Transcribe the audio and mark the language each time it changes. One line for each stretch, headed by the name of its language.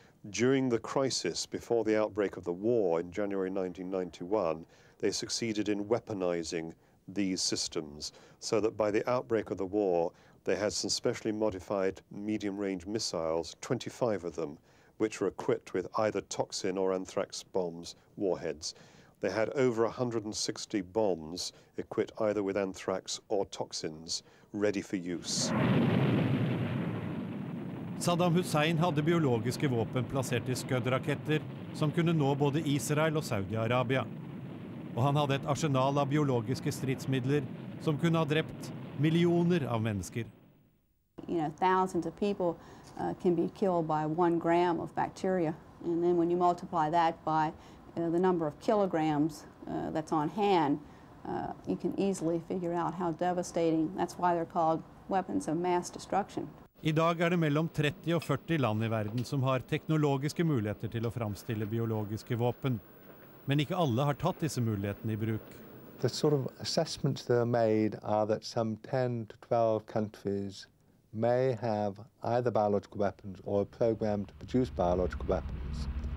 English: During the crisis, before the outbreak of the war in January 1991, they succeeded in weaponizing these systems, so that by the outbreak of the war, they had some specially modified medium-range missiles, 25 of them, which were equipped with either toxin or anthrax bombs, warheads. They had over 160 bombs equipped either with anthrax or toxins, ready for use.
Norwegian: Saddam Hussein hadde biologiske våpen plassert I skuddraketter som kunne nå både Israel og Saudi-Arabia. Og han hadde et arsenal av biologiske stridsmidler som kunne ha drept millioner av mennesker.
English: You know, thousands of people can be killed by one gram of bacteria. And then when you multiply that by the number of kilograms that's on hand, you can easily figure out how devastating. That's why they're called weapons of mass destruction.
Norwegian: I dag det mellom 30 og 40 land I verden som har teknologiske muligheter til å framstille biologiske våpen. Men ikke alle har tatt disse mulighetene I bruk.
English: The sort of assessments that are made are that some 10 to 12 countries may have either biological weapons or a program to produce biological weapons.